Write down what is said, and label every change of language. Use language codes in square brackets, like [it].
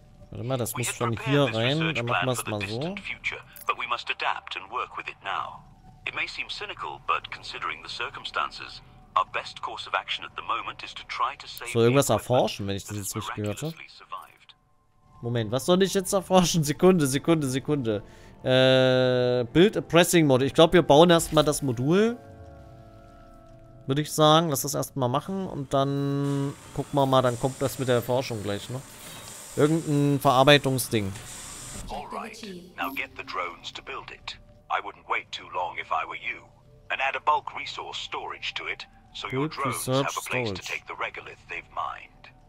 [de] Warte mal, das muss schon hier rein, dann machen wir es mal so. [en] But we must adapt and work with it now. It may seem cynical, but considering the circumstances, our best course of action at the moment is to try to save. [de] Soll irgendwas erforschen, wenn ich das jetzt richtig gehört habe? Moment, was soll ich jetzt erforschen? Sekunde, Sekunde, Sekunde. [en] Build a Pressing Module. [de] Ich glaube, wir bauen erstmal das Modul. Würde ich sagen. Lass das erstmal machen. Und dann gucken wir mal, dann kommt das mit der Erforschung gleich noch. Ne? Irgendein Verarbeitungsding. [en] Alright, now get the drones to build it. I wouldn't wait too long if I were you. And add a bulk resource storage to it, so your drones have a place to take the regolith they've mined.